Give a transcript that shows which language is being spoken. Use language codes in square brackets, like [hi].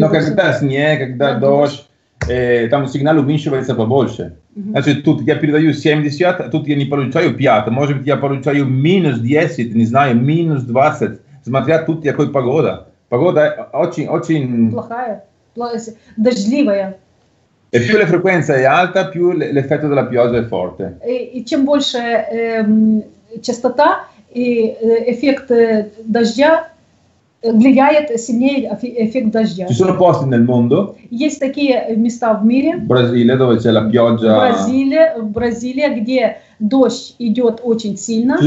[it] No, [ru] когда снег, когда дождь, там сигнал уменьшивается побольше. Значит, тут я передаю 70, а тут я не получаю 5. Может быть, я получаю минус 10, не знаю, минус 20. Смотря тут, какой погода. Погода очень... Плохая. Дождливая. И [it] più la frequenza è alta, più l'effetto della pioggia è forte. [ru] И чем больше частота и эффект дождя, влияет сильнее эффект дождя. [it] Ci sono posti nel mondo? [ru] Есть такие места в мире. [it] Бразилия, dove c'è la pioggia. [ru] Бразилия, где дождь идет очень сильно.